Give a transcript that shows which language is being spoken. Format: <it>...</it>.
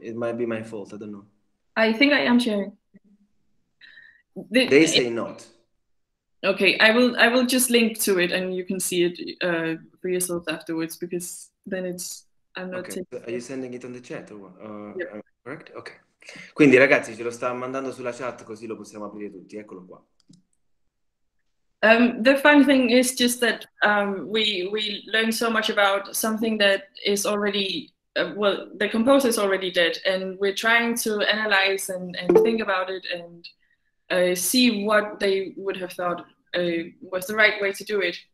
<en>It might be my fault. I don't know. I think I am sharing. They say not. Okay, I will just link to it and you can see it for yourself afterwards because then it's I'm not Okay. taking So are you sending it on the chat or Yep. what? Correct? Okay.</en> <it>Quindi ragazzi, ce lo sta mandando sulla chat così lo possiamo aprire tutti. Eccolo qua.</it> <en>The fun thing is just that we learn so much about something that is already well, the composer is already dead, and we're trying to analyze and think about it and see what they would have thought was the right way to do it.</en>